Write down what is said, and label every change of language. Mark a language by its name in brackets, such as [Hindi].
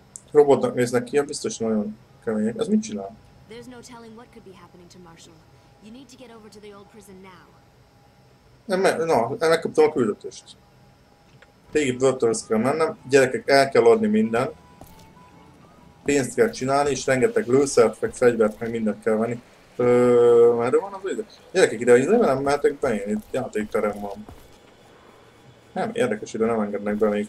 [Hungarian] Robotnak néznek ki, biztos nagyon kemény. Ez mit csinál? [English] There's no telling what could be happening to Marshall. You need to get over to the old prison now. [Hungarian] Megkaptam a küldetést. Végig börtönhöz kell mennem. Gyerekek, el kell adni minden. Pénzt kell csinálni, és rengeteg lőszert, meg fegyvert, meg mindent kell venni. Merre van az ide? Gyerekek, ide nem mehetek be, én itt játékterem van. Nem, érdekes, ide nem engednek be még.